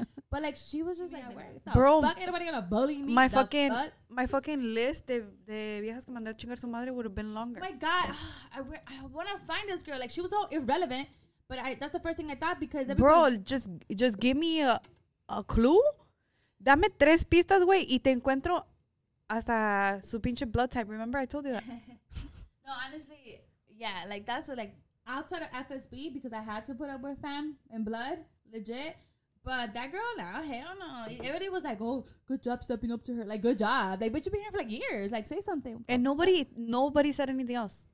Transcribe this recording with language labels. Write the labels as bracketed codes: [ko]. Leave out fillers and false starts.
[en] But, like, she was just, yeah, like, bro, fuck, anybody gonna bully me? My fucking list [es] de viejas que mandé a chingar su madre [en] would have been longer. Oh, my God. I want to find this girl. Like, she was all irrelevant, but that's the first thing I thought because everybody... Bro, just give me a clue. [es] Dame tres pistas, güey, y te encuentro hasta su pinche blood type. [en] Remember, I told you that. No, honestly, yeah, like, that's, a, like, outside of FSB, because I had to put up with fam and blood, legit, but that girl, nah, hell no. Everybody was like, oh, good job stepping up to her, like, good job. Like, but you've been here for, like, years, like, say something. And nobody said anything else.